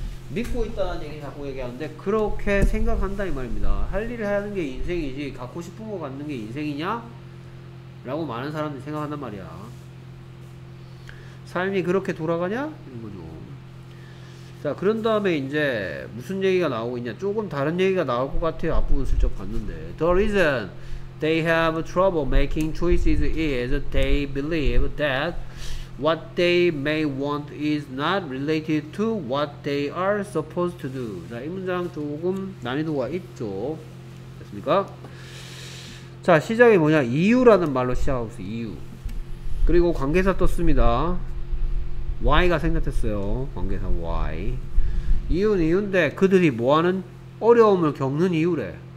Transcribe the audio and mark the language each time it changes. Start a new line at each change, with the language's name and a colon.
Korean: 믿고 있다는 얘기 자꾸 얘기하는데 그렇게 생각한다 이 말입니다. 할 일을 하는 게 인생이지 갖고 싶은 거 갖는 게 인생이냐? 라고 많은 사람들이 생각한단 말이야. 삶이 그렇게 돌아가냐? 이런 거죠. 자, 그런 다음에 이제 무슨 얘기가 나오고 있냐? 조금 다른 얘기가 나올 것 같아요. 앞부분 슬쩍 봤는데
English: The reason they have trouble making choices is they believe that what they may want is not related to what they are supposed to do.
Korean: 자, 이 문장 조금 난이도가 있죠. 됐습니까? 자, 시작이 뭐냐? 이유라는 말로 시작하고 있어요. 이유. 그리고 관계사 떴습니다. why가 생각했어요. 관계사 why. 이유는 이유인데 그들이 뭐하는 어려움을 겪는 이유래.